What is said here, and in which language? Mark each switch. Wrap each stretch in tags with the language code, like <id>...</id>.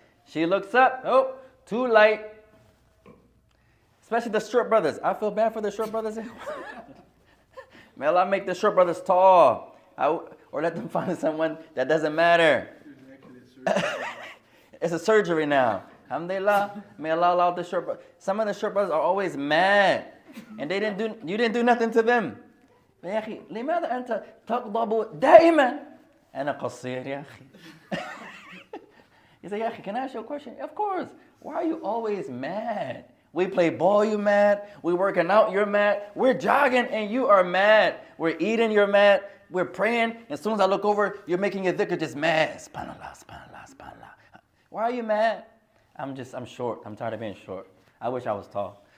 <en>She looks up, oh, too light. Especially the short brothers. I feel bad for the short brothers. May Allah make the short brothers tall. Or let them find someone that doesn't matter. It's a surgery now. Alhamdulillah. May Allah allow the short brothers. Some of the short brothers are always mad. And they didn't do, you didn't do nothing to them.</en> <ar>يا أخي لماذا أنت تغضب دائما؟ أنا قصير يا أخي.</ar> <en>He said,</en> <ar>يا أخي,</ar> <en>can I ask you a question? Of course. Why are you always mad? We play ball, you mad. We're working out, you're mad. We're jogging and you are mad. We're eating, you're mad. We're praying. And as soon as I look over, you're making your dhikr just mad. SubhanAllah, SubhanAllah, SubhanAllah. Why are you mad? I'm short. I'm tired of being short. I wish I was tall.</en>